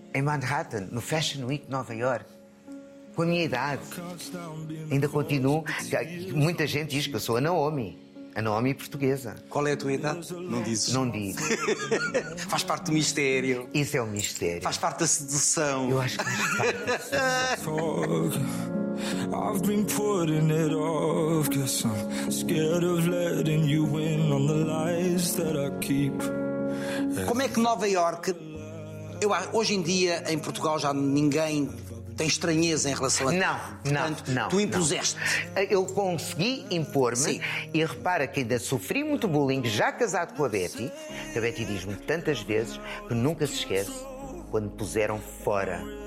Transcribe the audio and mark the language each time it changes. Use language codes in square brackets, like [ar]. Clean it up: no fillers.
[pt] Em Manhattan, no Fashion Week de Nova York. Com a minha idade. Ainda continuo. Muita gente diz que eu sou a Naomi. A Naomi portuguesa. Qual é a tua idade? Não dizes. Não digo. Faz parte do mistério. Isso é um mistério. Faz parte da sedução. Eu acho que faz parte da sedução. [en] I've been putting it off, guess I'm scared of letting you in on the lies that I keep. [pt] Como é que Nova York? Eu, hoje em dia, em Portugal, já ninguém... Tem estranheza em relação a ti. Não, portanto, não. Tu impuseste. Não. Eu consegui impor-me. Sim. E repara que ainda sofri muito bullying, já casado com a Betty. Que a Betty diz-me tantas vezes que nunca se esquece quando me puseram fora.